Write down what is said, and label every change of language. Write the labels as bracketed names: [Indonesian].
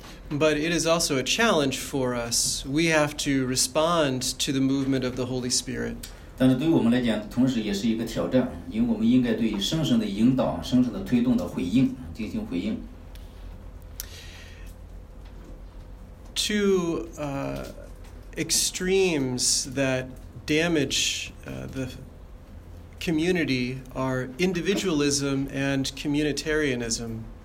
[English] But it is also a challenge for us. We have to respond to the movement of the Holy Spirit. [Chinese] 但是对于我们来讲,同时也是一个挑战,因为我们应该对圣神的引导,圣神的推动的回应,进行回应。 [English] Two extremes that damage the community are individualism and communitarianism.